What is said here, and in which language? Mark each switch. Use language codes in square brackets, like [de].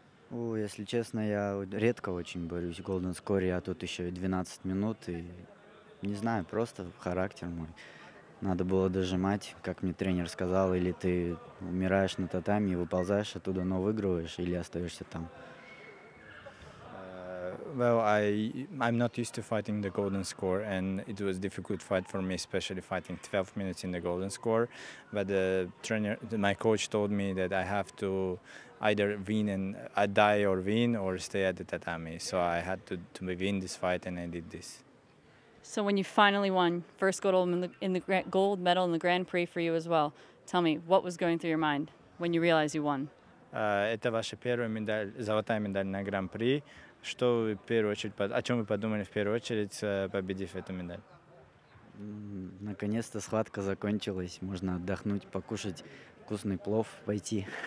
[ru] Если честно, я редко очень борюсь в Golden score, а тут еще и 12 минут, и не знаю, просто характер мой. Надо было дожимать, как мне тренер сказал, или ты умираешь на татами и выползаешь оттуда, но выигрываешь, или остаешься там. [en] Well, I'm not used to fighting the golden score, and it was a difficult fight for me, especially fighting 12 minutes in the golden score. But the trainer, my coach told me that I have to either win and die or win or stay at the tatami. So I had to win this fight, and I did this. So when you finally won, first gold medal in the Grand Prix for you as well, tell me, what was going through your mind when you realized you won? [ru] Это ваша первая медаль, золотая медаль на Гран-при. Что вы в первую очередь, о чем вы подумали в первую очередь, победив эту медаль? Наконец-то схватка закончилась, можно отдохнуть, покушать вкусный плов, пойти.